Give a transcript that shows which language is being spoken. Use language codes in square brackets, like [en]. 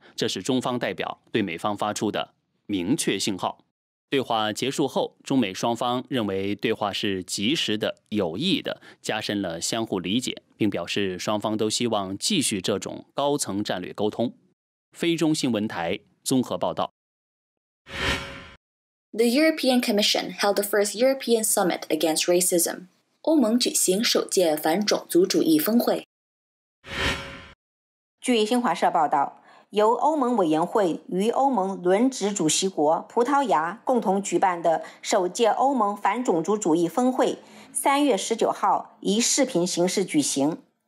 [zh] 这是中方代表对美方发出的明确信号。对话结束后，中美双方认为对话是及时的、有益的，加深了相互理解，并表示双方都希望继续这种高层战略沟通。菲中新闻台综合报道。 [en] The European Commission held the first European Summit against Racism. [zh] 欧盟举行首届反种族主义峰会。据新华社报道，由欧盟委员会与欧盟轮值主席国葡萄牙共同举办的首届欧盟反种族主义峰会3月19号以视频形式举行。